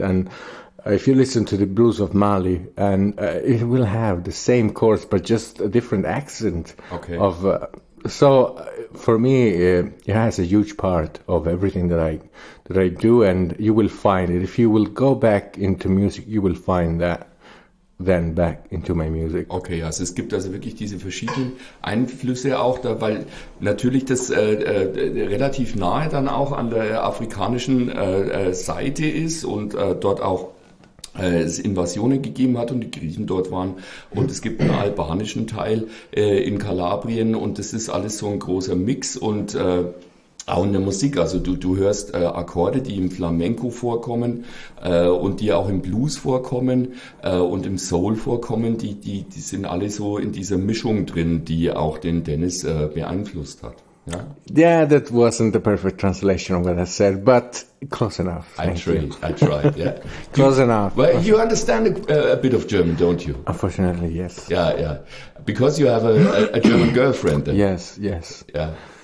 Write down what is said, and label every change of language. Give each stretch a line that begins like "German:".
English: And if you listen to the blues of Mali, and it will have the same chords but just a different accent. Okay. For me, it has a huge part of everything that I do, and you will find it. If you will go back into music, you will find that then back into my music.
German: Okay, also es gibt also wirklich diese verschiedenen Einflüsse auch da, weil natürlich das relativ nahe dann auch an der afrikanischen Seite ist und dort auch es Invasionen gegeben hat und die Griechen dort waren, und es gibt einen albanischen Teil in Kalabrien, und das ist alles so ein großer Mix. Und auch in der Musik, also du hörst Akkorde, die im Flamenco vorkommen und die auch im Blues vorkommen und im Soul vorkommen, die sind alle so in dieser Mischung drin, die auch den Dennis beeinflusst hat.
English: Yeah, that wasn't the perfect translation of what I said, but close enough. I tried. Close enough. Well, you understand a bit of German, don't you? Unfortunately, yes. Yeah. Because you have a German girlfriend. Then. Yes. Yeah.